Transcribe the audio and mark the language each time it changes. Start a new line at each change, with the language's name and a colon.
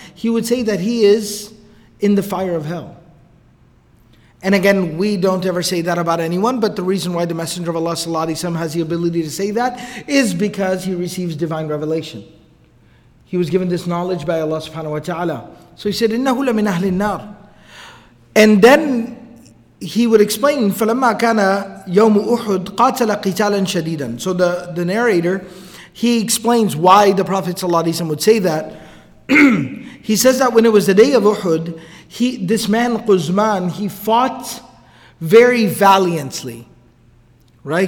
English: He would say that he is in the fire of hell. And again, we don't ever say that about anyone, but the reason why the Messenger of Allah sallallahu alaihi wasallam has the ability to say that is because he receives divine revelation. He was given this knowledge by Allah subhanahu wa ta'ala. So he said,
Arabic: إِنَّهُ لَمِنْ أَهْلِ النَّارِ.
English: And then he would explain,
Arabic: فَلَمَّا كَانَ يَوْمُ أُحُدْ قَاتَلَ قِتَالًا شَدِيدًا.
English: So the narrator, he explains why the Prophet sallallahu alaihi wasallam would say that. He says that when it was the day of Uhud, this man Quzman, he fought very valiantly, right?